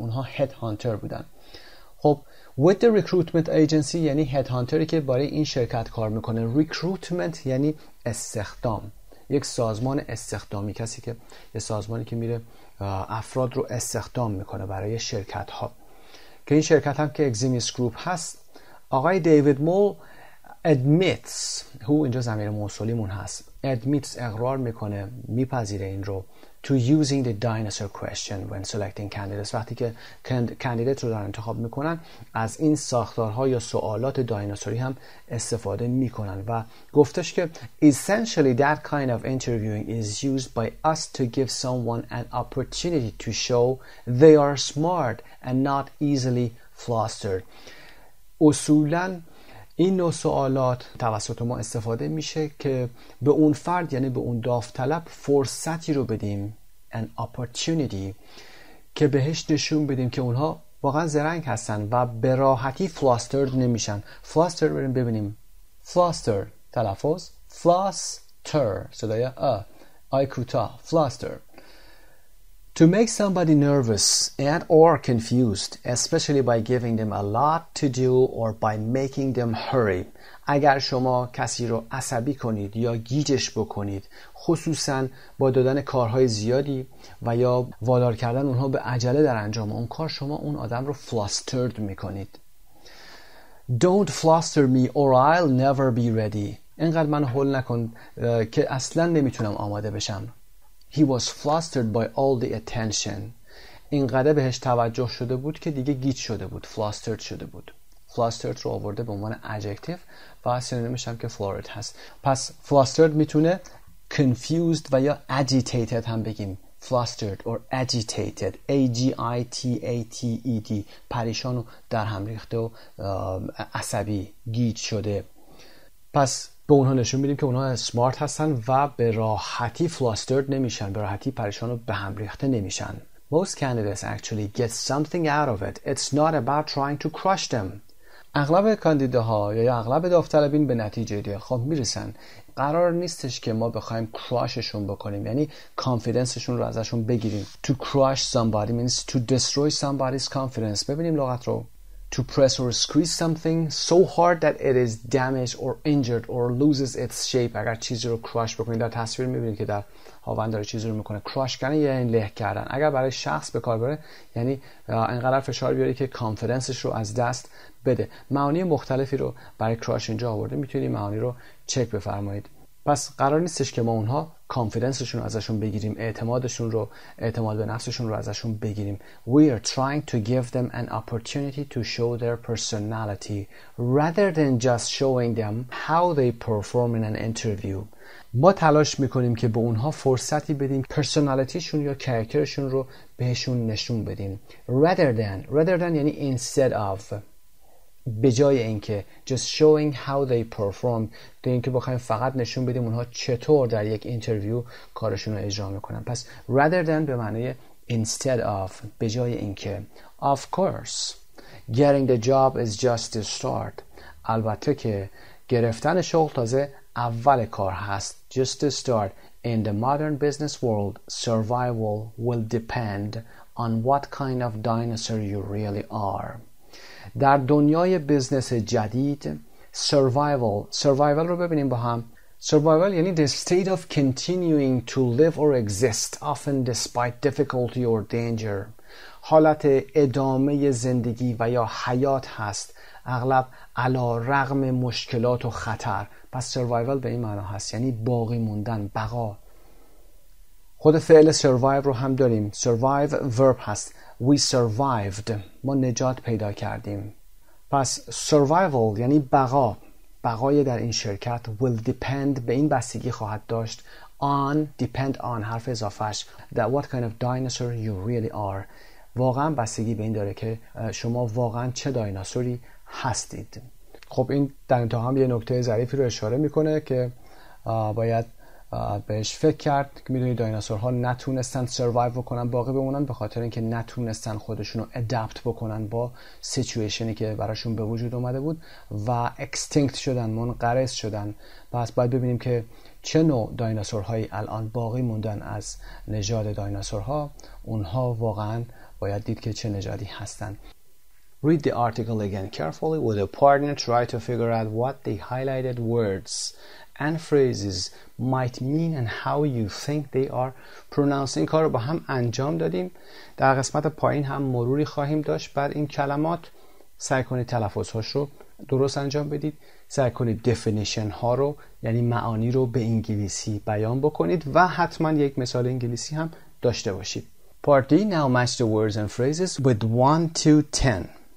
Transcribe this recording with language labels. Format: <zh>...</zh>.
<fa>اونها headhunter بودن. خب</fa> <en>with the recruitment agency</en> <fa>یعنی headhunteri که برای این شرکت کار میکنه. recruitment یعنی استخدام، یک سازمان استخدامی، کسی که یه سازمانی که میره افراد رو استخدام میکنه برای شرکت ها، که این شرکت هم که Eximius Group هست. آقای دیوید مول admits، هو اینجا ضمیر موصولیمون هست، admits اقرار میکنه، میپذیره این رو،</fa> <en>to using the dinosaur question when selecting candidates،</en> <fa>وقتی که candidate رو در انتخاب میکنن از این ساختارها یا سوالات دایناسوری هم استفاده میکنن و گفتش که</fa> <en>essentially that kind of interviewing is used by us to give someone an opportunity to show they are smart and not easily flustered.</en> <fa>اصولاً این نوع سوالات توسط ما استفاده میشه که به اون فرد یعنی به اون داوطلب فرصتی رو بدیم،</fa> <en>an opportunity،</en> <fa>که بهش نشون بدیم که اونها واقعا زرنگ هستن و به راحتی flustered نمیشن. flustered بریم ببینیم. flustered تلفظ flustered صدای آی کوتاه.</fa> <en>flustered to make somebody nervous and or confused especially by giving them a lot to do or by making them hurry.</en> <fa>اگر شما کسی رو عصبی کنید یا گیجش بکنید، خصوصا با دادن کارهای زیادی و یا وادار کردن اونها به عجله در انجام اون کار، شما اون آدم رو flustered میکنید.</fa> <en>Don't fluster me or I'll never be ready.</en> <fa>اینقدر من هول نکن که اصلا نمیتونم آماده بشم.</fa> <en>He was flustered by all the attention.</en> <fa>اینقدر بهش توجه شده بود که دیگه گیج شده بود. Flustered شده بود. Flustered رو آورده به عنوان adjective و سینونیمش هم که flurried هست. پس flustered میتونه confused و یا agitated هم بگیم.</fa> <en>Flustered or agitated. A-G-I-T-A-T-E-D.</en> <fa>پریشان و در هم ریخته و عصبی گیج شده. پس به اونها نشون میدیم که اونها smart هستن و به راحتی flustered نمیشن. به راحتی پریشان و به هم ریخته نمیشن.</fa> <en>Most candidates actually get something out of it. It's not about trying to crush them.</en> <fa>اغلب کاندیداها یا اغلب داوطلبین به نتیجه دیگه خب میرسن. قرار نیستش که ما بخوایم کراششون بکنیم، یعنی کانفیدنسشون رو ازشون بگیریم.</fa> <en>To crush somebody means to destroy somebody's confidence.</en> <fa>ببینیم لغت رو.</fa> <en>To press or squeeze something so hard that it is damaged or injured or loses its shape.</en> <fa>اگر چیزی رو crush بکنید، در تصویر میبینید که در هاون داره چیزی رو میکنه. crush کردن یعنی له کردن. اگر برای شخص به کار بره، یعنی انقدر فشار بیاری که کانفیدنسش رو از دست بده. معانی مختلفی رو برای crush اینجا آورده، میتونید معانی رو چک بفرمایید. پس قرار نیستش که ما اونها کانفیدنسشون رو ازشون بگیریم، اعتمادشون رو، اعتماد به نفسشون رو ازشون بگیریم.</fa> <en>We are trying to give them an opportunity to show their personality rather than just showing them how they perform in an interview.</en> <fa>ما تلاش میکنیم که به اونها فرصتی بدیم پرسونالیتیشون یا کاراکترشون رو بهشون نشون بدیم.</fa> <en>Rather than</en> <fa>یعنی</fa> <en>instead of،</en> <fa>به جای اینکه،</fa> <en>just showing how they perform،</en> <fa>به اینکه بخوایم فقط نشون بدیم اونها چطور در یک اینترویو کارشون رو اجرا میکنن. پس</fa> <en>rather than</en> <fa>به معنی</fa> <en>instead of،</en> <fa>به جای اینکه.</fa> <en>Of course getting the job is just the start.</en> <fa>البته که گرفتن شغل تازه اول کار هست.</fa> <en>Just the start. In the modern business world, survival will depend on what kind of dinosaur you really are.</en> <fa>در دنیای بیزنس جدید survival رو ببینیم با هم.</fa> <en>Survival یعنی the state of continuing to live or exist often despite difficulty or danger.</en> <fa>حالت ادامه زندگی و یا حیات هست اغلب علارغم مشکلات و خطر. پس survival به این معنی هست، یعنی باقی موندن، بقا. خود فعل survive رو هم داریم.</fa> <en>Survive verb هست. We survived.</en> <fa>ما نجات پیدا کردیم. پس survival یعنی بقا. بقای در این شرکت</fa> <en>will depend،</en> <fa>به این بستگی خواهد داشت.</fa> <en>On، depend on،</en> <fa>حرف اضافهش.</fa> <en>That what kind of dinosaur you really are.</en> <fa>واقعا بستگی به این داره که شما واقعا چه دایناسوری هستید. خب این در انتها هم یه نکته ظریفی رو اشاره میکنه که باید بهش فکر کرد که میدونی دایناسورها نتونستن سروایو بکنن، باقی بمونن، به خاطر اینکه نتونستن خودشونو ادپت بکنن با سیچویشنی که براشون به وجود اومده بود و اکستینکت شدن، منقرض شدن. پس باید ببینیم که چه نوع دایناسورهایی الان باقی موندن از نژاد دایناسورها. اونها واقعا باید دید که چه نژادی هستن.</fa> <en>Read the article again carefully with a partner. Try to figure out what the highlighted words and phrases might mean and how you think they are pronounced.</en> <fa>این کار رو با هم انجام دادیم. در قسمت پایین هم مروری خواهیم داشت بر این کلمات. سعی کنید تلفظ هاش رو درست انجام بدید. سعی کنید دفینیشن ها رو، یعنی معانی رو، به انگلیسی بیان بکنید و حتما یک مثال انگلیسی هم داشته باشید.</fa> <en>Part D. Now match the words and phrases with 1 to 10.</en>